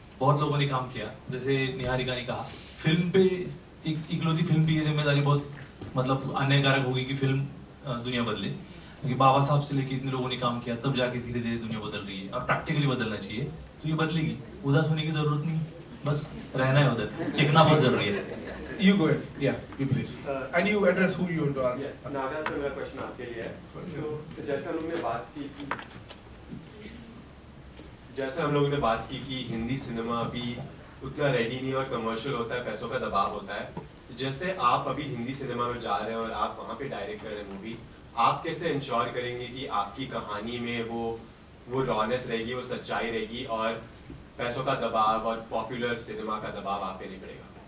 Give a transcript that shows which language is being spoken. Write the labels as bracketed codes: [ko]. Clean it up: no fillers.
[hi] बहुत लोगों ने काम किया, जैसे निहारिका ने कहा, फिल्म पे इकलौती फिल्म पे ये जिम्मेदारी बहुत मतलब अन्यायकारक होगी कि फिल्म दुनिया बदले, क्योंकि बाबा साहब से लेके इतने लोगों ने काम किया, तब जाके धीरे धीरे दुनिया बदल रही है, और प्रैक्टिकली बदलना चाहिए, तो ये बदलेगी. उदास होने की जरूरत नहीं, बस रहना है उधर, टिकना बहुत जरूरी है. [en] You go ahead. Yeah, you please. And you address who you want to answer. Yes, Nagraj sir, my question [hi] आपके लिए है. तो जैसा हमने बात की कि, जैसे हम लोगों ने बात की कि हिंदी सिनेमा अभी उतना रेडी नहीं और कमर्शियल होता है, पैसों का दबाव होता है, जैसे आप अभी हिंदी सिनेमा में जा रहे हैं और आप वहाँ पे डायरेक्ट कर रहे हैं मूवी, आप कैसे इंश्योर करेंगे कि आपकी कहानी में वो रॉनेस रहेगी, वो सच्चाई रहेगी, और पैसों का दबाव और पॉपुलर सिनेमा का दबाव आप पे नहीं पड़ेगा?